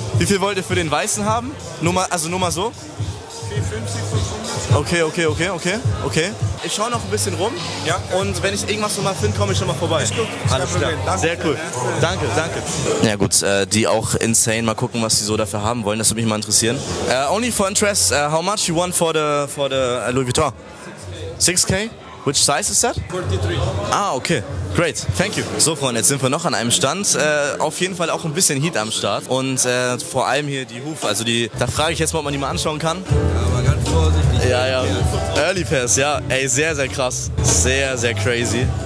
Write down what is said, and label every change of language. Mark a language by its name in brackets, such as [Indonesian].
[German] Wie viel wollt ihr für den Weißen haben? Nur mal, also nur mal so? 450, 500. Okay. ich schaue noch ein bisschen rum. Ja. Und wenn ich irgendwas nochmal finde, komme ich schon mal vorbei. Ist gut. Alles klar. Sehr cool. Danke, danke. Ja gut, die auch insane. Mal gucken, was sie so dafür haben wollen. Das würde mich mal interessieren. [English] Only for interest, how much you want for the Louis Vuitton? 6K. Which size is that? 43. Ah, okay. Great. Thank you. [German] So, Freunde, jetzt sind wir noch an einem Stand. Auf jeden Fall auch ein bisschen Heat am Start. Und vor allem hier die Hufe. Also, die. Da frage ich jetzt mal, ob man die mal anschauen kann. Ja, aber ganz vorsichtig. Ja, ja. Early Pass, ja. Ey, sehr, sehr krass. Sehr, sehr crazy.